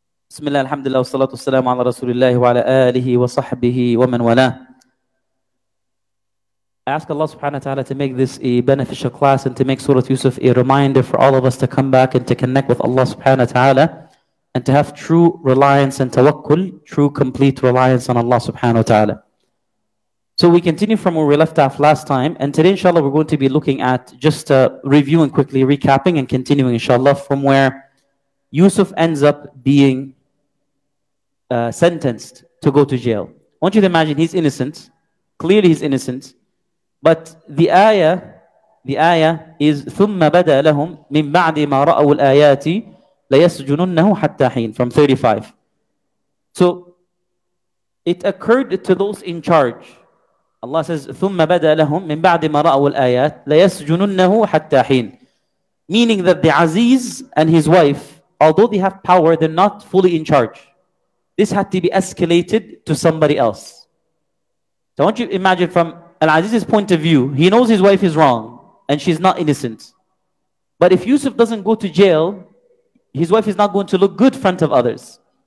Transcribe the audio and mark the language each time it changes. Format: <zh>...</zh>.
<ar>بسم الله الحمد لله والصلاة والسلام على رسول الله وعلى آله وصحبه ومن والاه.</ar> <en>I ask Allah subhanahu wa ta'ala to make this a beneficial class and to make Surah Yusuf a reminder for all of us to come back and to connect with Allah subhanahu wa ta'ala and to have true reliance and tawakkul, true complete reliance on Allah subhanahu wa ta'ala. So we continue from where we left off last time, and today inshallah we're going to be looking at just reviewing quickly, recapping and continuing inshallah from where Yusuf ends up being sentenced to go to jail. I want you to imagine he's innocent, clearly he's innocent. But the ayah is</en> <ar>ثُمَّ بَدَى لَهُمْ مِنْ بَعْدِ مَا رَأَوُ الْآيَاتِ لَيَسْجُنُنَّهُ حَتَّى حِينَ</ar> <en>from 35. So it occurred to those in charge. Allah says</en> <ar>ثُمَّ بَدَى لَهُمْ مِنْ بَعْدِ مَا رَأَوُ الْآيَاتِ لَيَسْجُنُنَّهُ حَتَّى حِينَ.</ar> <en>Meaning that the Aziz and his wife, although they have power, they're not fully in charge. This had to be escalated to somebody else. So I want you to imagine from Al-Aziz's point of view, he knows his wife is wrong and she's not innocent. But if Yusuf doesn't go to jail, his wife is not going to look good in front of others.</en>